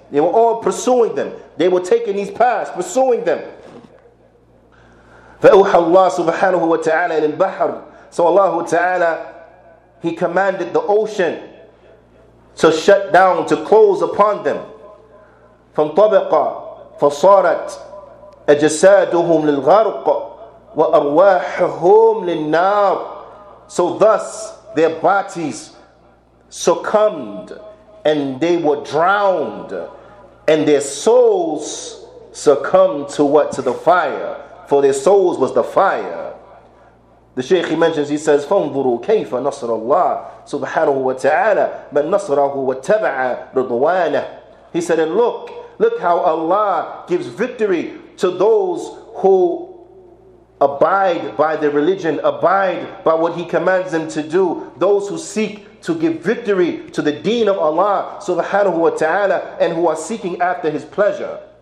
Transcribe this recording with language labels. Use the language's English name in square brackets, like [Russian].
[English] They were all pursuing them. They were taking these paths, pursuing them. [Arabic] فَأُوحَى اللَّهُ سُبْحَانَهُ وَتَعَالَى إِلَى الْبَحْرِ. [English] So Allah Ta'ala, He commanded the ocean to shut down, to close upon them. [Arabic] فانطبق فصارت أجسادهم للغرق وأرواحهم للنار. [English] So thus their bodies succumbed and they were drowned, and their souls succumbed to what? To the fire. For their souls was the fire. The Shaykh, he mentions, he says, [Arabic] فَانْظُرُوا كَيْفَ نَصْرَ اللَّهِ سُبْحَانَهُ وَتَعَالَى مَنْ نَصْرَهُ وَاتَّبَعَ رُضْوَانَهُ. [English] He said, and look how Allah gives victory to those who abide by their religion, abide by what He commands them to do, those who seek to give victory to the deen of Allah subhanahu wa ta'ala, and who are seeking after His pleasure.